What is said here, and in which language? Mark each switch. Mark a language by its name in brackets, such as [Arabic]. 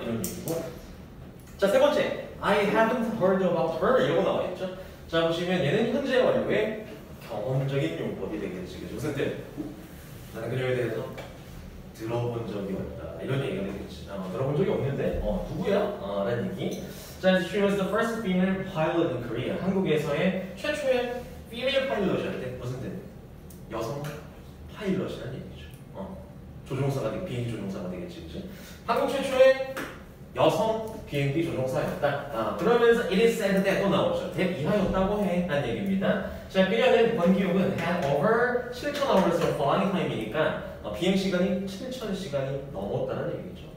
[Korean] 이런 얘기고. 자, 세 번째. [English] I haven't heard about her. [Korean] 이런 거 나와있죠? 자, 보시면 얘는 현재 완료의 경험적인 용법이 되겠지. 그죠? 무슨 뜻? 나는 그녀에 대해서 들어본 적이 없다. 이런 얘기가 되겠지. 어, 들어본 적이 없는데? 어, 누구야? 어, 라는 얘기. [English] 자, she was the first female pilot in Korea. [Korean] 한국에서의 최초의 female pilot이란 뜻? 무슨 뜻? 여성 파일럿이란 얘기죠. 어, 조종사가 되겠지. 비행기 조종사가 되겠지. 그죠? 한국 최초의 여성 비행기 조종사였다. 아, 그러면서 [English] it is said that [Korean] 또 나오죠. that 이하였다고 해. 라는 얘기입니다. 자, 그녀는 권기욱은 [English] had over 7,000 hours of flying time [Korean] 이니까 어, 비행시간이 7,000시간이 넘었다는 얘기죠.